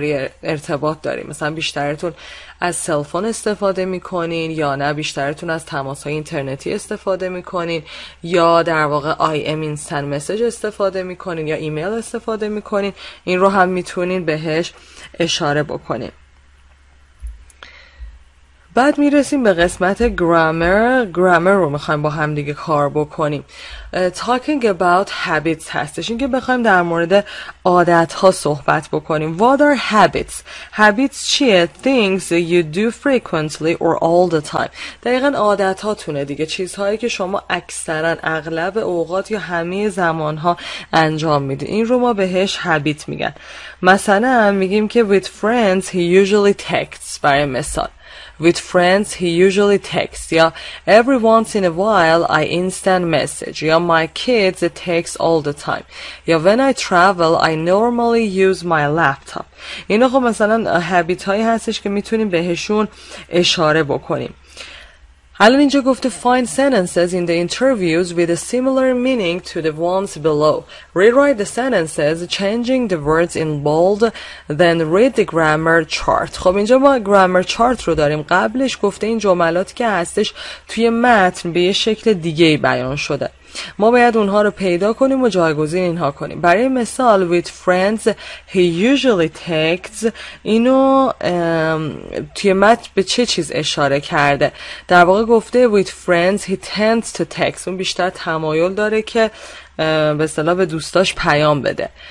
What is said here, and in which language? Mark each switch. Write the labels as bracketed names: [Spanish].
[Persian] برای ارتباط داریم؟ مثلا بیشترتون از سلفون استفاده میکنین یا نه بیشترتون از تماس های اینترنتی استفاده میکنین یا در واقع instant مسیج استفاده میکنین یا ایمیل استفاده میکنین؟ این رو هم میتونین بهش اشاره بکنین. بعد میرسیم به قسمت گرامر. گرامر رو میخوایم با هم دیگه کار بکنیم. [English] Talking about habits [Persian] هستش، این که بخوایم در مورد عادت ها صحبت بکنیم. [English] What are habits؟ habits [Persian] چیه؟ [English] Things you do frequently or all the time. [Persian] دقیقا عادت هاتونه دیگه، چیزهایی که شما اکثرا اغلب اوقات یا همه زمان ها انجام میدین، این رو ما بهش habit میگن. مثلا میگیم که [English] with friends he usually texts، [Persian] برای مثال [English] with friends he usually texts، یا every once in a while I instant message، یا my kids text all the time، یا when I travel I normally use my laptop. [Persian] اینا خب مثلا habit هایی هستش که میتونیم بهشون اشاره بکنیم. حالا اینجا گفته [English] find sentences in the interviews with a similar meaning to the ones below. Rewrite the sentences changing the words in bold, then read the grammar chart. [Persian] خب اینجا ما grammar chart رو داریم. قبلش گفته این جملات که هستش توی متن به یه شکل دیگه بیان شده، ما باید اونها رو پیدا کنیم و جایگزین اینها کنیم. برای مثال [English] with friends he usually texts، [Persian] اینو توی متن به چه چیز اشاره کرده؟ در واقع گفته [English] with friends he tends to text، [Persian] اون بیشتر تمایل داره که به اصطلاح به دوستاش پیام بده.